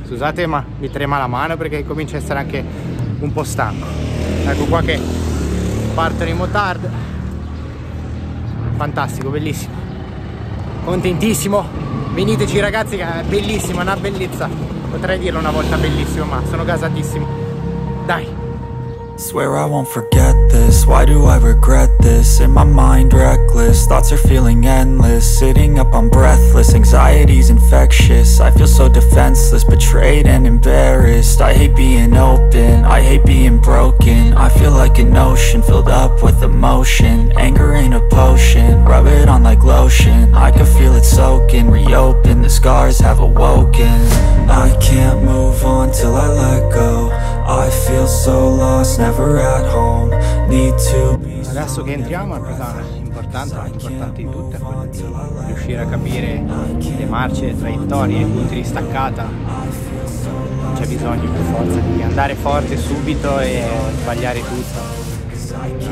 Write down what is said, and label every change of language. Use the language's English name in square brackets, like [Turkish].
[Italian] Scusate ma mi trema la mano perché comincio a essere anche un po' stanco. Ecco qua che partono i motard, fantastico, bellissimo, contentissimo. Veniteci ragazzi, che è bellissimo, una bellezza, potrei dirlo una volta bellissimo, ma sono gasatissimo, dai. [English] Swear I won't forget this, why do I regret this? In my mind reckless, thoughts are feeling endless. Sitting up I'm breathless, anxiety's infectious. I feel so defenseless, betrayed and embarrassed. I hate being open, I hate being broken. I feel like an ocean filled up with emotion. Anger ain't a potion, rub it on like lotion. I can feel it soaking, reopen, the scars have awoken. I can't move on till I let go. I feel so lost, never at home. Need to be. [Italian] Adesso che entriamo, è una cosa importante, la più importante di tutte, quella di riuscire a capire le marce, le traiettorie, i punti di staccata. Non c'è bisogno per forza di andare forte subito e sbagliare tutto.